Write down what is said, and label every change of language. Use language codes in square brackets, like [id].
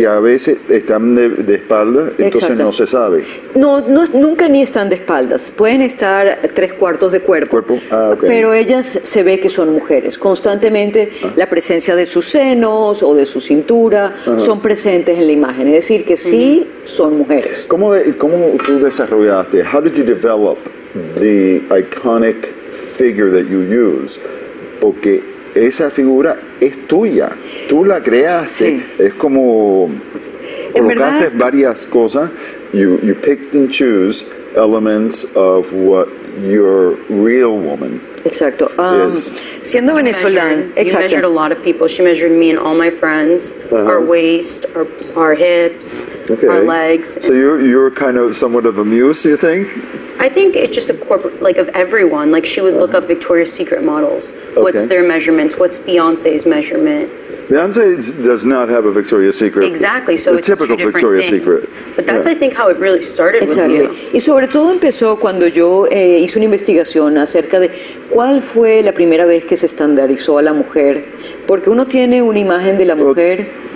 [es] Y a veces están de espalda, entonces no se sabe. No, nunca ni están de espaldas. Pueden estar tres cuartos de cuerpo. Pero ellas se ve que son mujeres. Constantemente la presencia de sus senos o de su cintura son presentes en la imagen. Es decir, que sí son mujeres. ¿Cómo tú desarrollaste? [en] How did you develop the iconic figure that you use? [es] Porque esa figura es tuya. Tú la creaste. Sí. Es como colocaste varias cosas. [en] You picked and choose elements of what your real woman. [es] Exacto. Siendo venezolana, [en] exactly. You measured a lot of people. She measured me and all my friends. Our waist, our hips, our legs. So you're kind of somewhat of a muse, you think? I think it's just a corporate, like, of everyone. Like, she would look up Victoria's Secret models. Okay. What's their measurements? What's Beyonce's measurement? Beyonce does not have a Victoria's Secret. Exactly, so it's typical Victoria's Secret. But that's, I think, how it really started exactly. with you. [es] Y sobre todo empezó cuando yo hice una investigación acerca de cuál fue la primera vez que se estandarizó a la mujer. Porque uno tiene una imagen de la mujer.